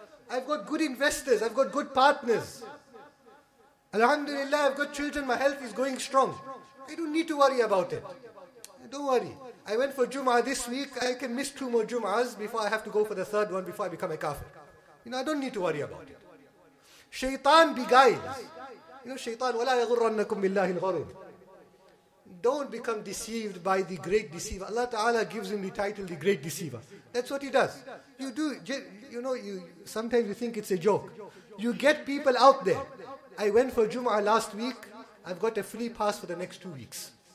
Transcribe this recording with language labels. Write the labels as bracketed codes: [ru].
[en] I've got good investors. I've got good partners. Alhamdulillah, I've got children. My health is going strong. I don't need to worry about it. Don't worry. I went for Jum'ah this week. I can miss 2 more Jum'ahs before I have to go for the 3rd one before I become a kafir. You know, I don't need to worry about it. Shaitan beguiles. You know, Shaitan, [ar] وَلَا يَغُرَّنَّكُمْ بِاللَّهِ الْغَرُورِ. [en] Don't become deceived by the great deceiver. Allah Ta'ala gives him the title, the great deceiver. That's what he does. You do, you know, you sometimes you think it's a joke. You get people out there. I went for Jum'ah last week. I've got a free pass for the next 2 weeks.